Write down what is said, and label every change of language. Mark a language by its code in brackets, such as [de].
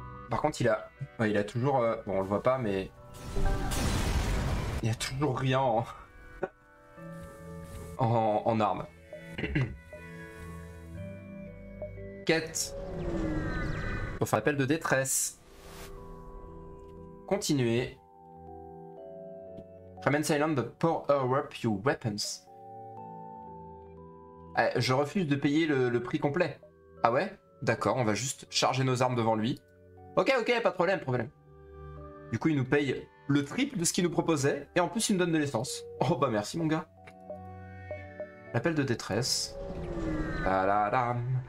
[fr] Par contre, il a... Ouais, il a toujours... Bon, on le voit pas, mais... Il y a toujours rien en arme. Quête. Faut faire appel de détresse. Continuez. [en] Remain silent, power up your weapons. [fr] Je refuse de payer le prix complet. Ah ouais? D'accord, on va juste charger nos armes devant lui. Ok, pas de problème, Du coup, il nous paye le triple de ce qu'il nous proposait, et en plus, il nous donne de l'essence. Oh bah merci, mon gars. L'appel de détresse. Ta-da-dam.